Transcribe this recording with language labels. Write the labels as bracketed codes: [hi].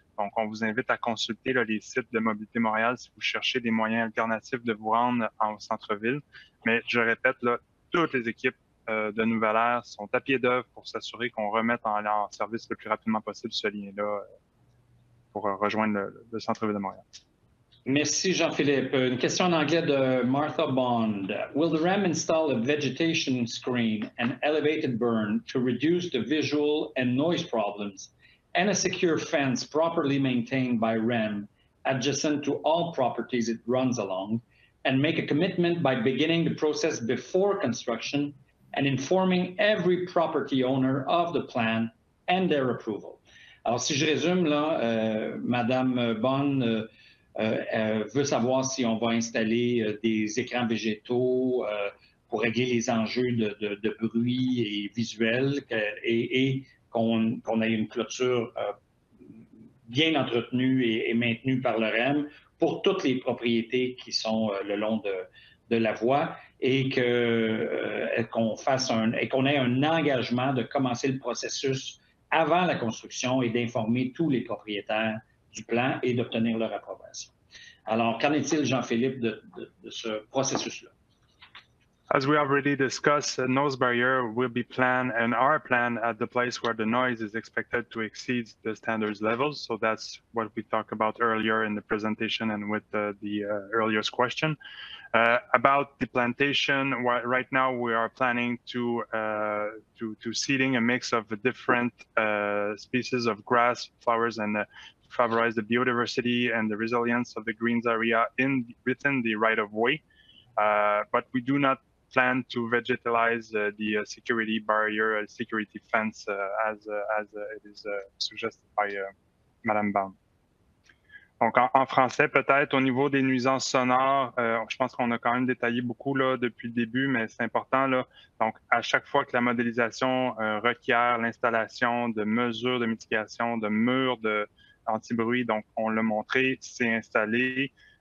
[fr] Donc, on vous invite à consulter là, les sites de Mobilité Montréal si vous cherchez des moyens alternatifs de vous rendre en centre-ville. Mais je répète, là, toutes les équipes de Nouvelle-Ère sont à pied d'œuvre pour s'assurer qu'on remette en service le plus rapidement possible ce lien-là pour rejoindre le centre-ville de Montréal. Merci, Jean-Philippe. Une question en anglais de Martha Bond. [en] Will the REM install a vegetation screen and elevated berm to reduce the visual and noise problems and a secure fence properly maintained by REM adjacent to all properties it runs along and make a commitment by beginning the process before construction and informing every property owner of the plan and their approval? [fr] Alors, si je résume, là, Madame Bond, veut savoir si on va installer des écrans végétaux pour régler les enjeux de bruit et visuel et qu'on ait une clôture bien entretenue et maintenue par le REM pour toutes les propriétés qui sont le long de la voie et qu'on ait un engagement de commencer le processus avant la construction et d'informer tous les propriétaires du plan et d'obtenir leur approbation. Alors, qu'en est-il, Jean-Philippe, de ce processus-là? [en] As we already discussed, a noise barrier will be planned and are planned at the place where the noise is expected to exceed the standards levels. So that's what we talked about earlier in the presentation and with the earlier question. About the plantation, right now we are planning to seeding a mix of different species of grass, flowers, and favorize the biodiversity and the resilience of the greens area within the right-of-way. But we do not plan to vegetalize the security barrier, security fence, as it is suggested by Madame Baum. [fr] Donc, en français, peut-être, au niveau des nuisances sonores, je pense qu'on a quand même détaillé beaucoup là, depuis le début, mais c'est important. Là. Donc, à chaque fois que la modélisation requiert l'installation de mesures de mitigation, de murs anti-bruit, donc on l'a montré, c'est installé.